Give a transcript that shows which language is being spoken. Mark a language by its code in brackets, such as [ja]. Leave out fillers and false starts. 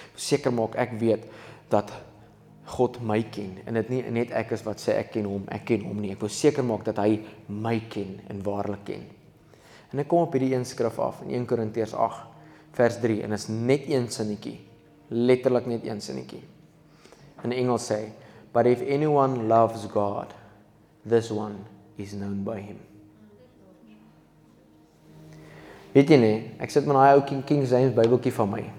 [af] Seker maak ek weet dat God my ken en dit nie net ek is wat sê ek ken hom nie. Ek wil seker maak dat hy my ken en waarlik ken. En ek kom op hierdie een skrif af in 1 Korintiërs 8 vers 3 en is net een sinnetjie. Letterlik net een sinnetjie. In Engels sê, [en] "But if anyone loves God, this one is known by him." [af] Weet jy nie, ek sit met daai ou King James Bybeltjie van my.